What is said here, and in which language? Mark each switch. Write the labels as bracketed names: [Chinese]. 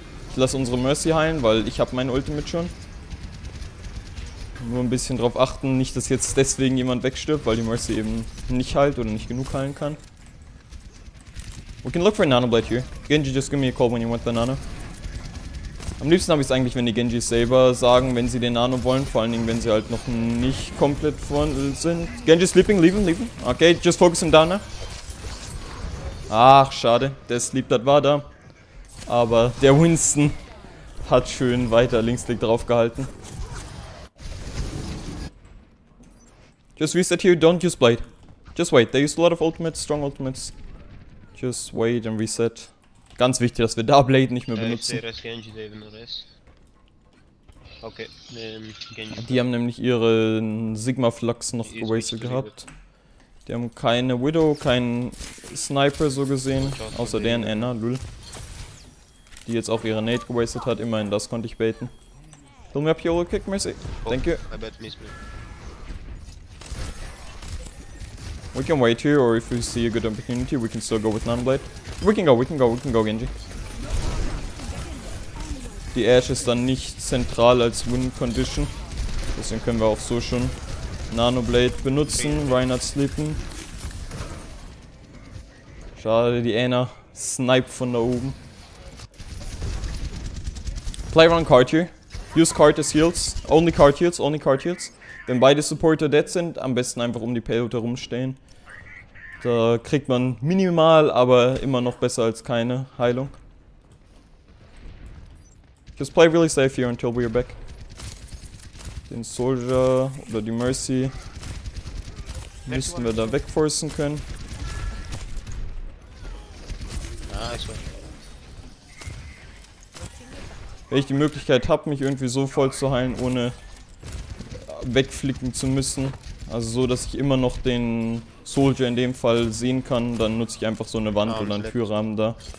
[German] Ich lasse unsere Mercy heilen, weil ich habe mein Ultimate schon. Nur ein bisschen drauf achten, nicht dass jetzt deswegen jemand wegstirbt, weil die Mercy eben nicht heilt oder nicht genug heilen kann. [English] We can look for a Nano Blade here. Genji, just give me a call when you want the Nano. [German] Am liebsten habe ich es eigentlich, wenn die Genji selber sagen, wenn sie den Nano wollen, vor allen Dingen, wenn sie halt noch nicht komplett voll sind. [English] Genji sleeping, leave him. Okay, just focus him down, ne? [German] Ach, schade. Der Sleep, das war da. Aber der Winston hat schön weiter Linksklick drauf gehalten. [English] Just reset here, don't use Blade. Just wait, they use a lot of ultimates, strong ultimates. Just wait and reset. [German] Ganz wichtig, dass wir da Blade nicht mehr benutzen. Ich sehe, Genji da eben noch ist. Okay, Genji. Die haben nämlich ihre Sigma-Flux noch gewastet gehabt. Die haben keine Widow, keinen Sniper so gesehen, außer deren Anna, lul. Die jetzt auch ihre Nade gewastet hat, immerhin das konnte ich baiten. [English] Hill me up here, kick, Mercy. Thank you. I bet miss me. We can wait here, or if we see a good opportunity, we can still go with Nanoblade. We can go, Genji. [German] Die Ash ist dann nicht zentral als Win Condition. Deswegen können wir auch so schon Nanoblade benutzen. Reinhardt sleepen. Schade, die Anna snipe von da oben. [English] Play around card here. Use card as heals. Only card heals. [German] Wenn beide Supporter dead sind, am besten einfach um die Payload herumstehen. Da kriegt man minimal, aber immer noch besser als keine Heilung. [English] Just play really safe here until we are back. [German] Den Soldier oder die Mercy müssten wir da wegforcen können. Wenn ich die Möglichkeit habe, mich irgendwie so voll zu heilen, ohne wegflicken zu müssen, also so, dass ich immer noch den Soldier in dem Fall sehen kann, dann nutze ich einfach so eine Wand oder einen Türrahmen da.